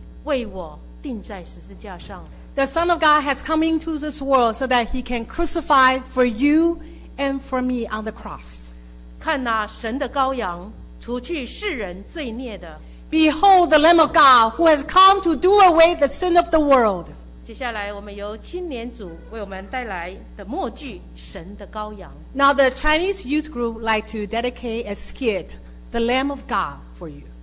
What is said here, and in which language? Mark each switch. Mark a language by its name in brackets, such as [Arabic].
[English] The Son of God has come into this world so that he can crucify for you and for me on the cross. [Chinese] 看啊, 神的羔羊, 除去世人罪孽的, [English] Behold the Lamb of God who has come to do away the sin of the world. [Chinese] 接下来我们由青年组为我们带来的默剧, 神的羔羊。 [English] Now the Chinese youth group would like to dedicate a skit, The Lamb of God, for you.